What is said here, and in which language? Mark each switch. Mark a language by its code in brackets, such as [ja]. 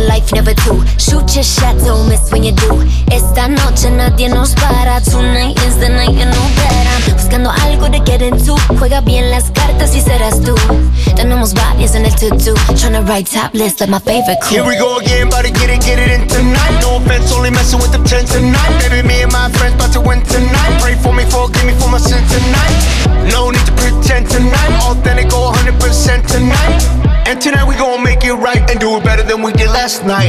[en] Never two, shoot your shot, don't miss when you do. [es] Esta noche nadie nos para. [en] Tonight is the night, you know that I'm [es] buscando algo [en] to get into. [es] Juega bien las cartas y serás tú. Tenemos varias en el to-do. [en] Tryna write top list like my favorite crew. Here we go again, about to get it in tonight. No offense, only messing with the ten tonight. Baby, me and my friends about to win tonight. Pray for me, forgive me for my sin tonight. No need to pretend tonight. Authentic, 100% tonight. And tonight we gon' make it right and do it better than we did last night.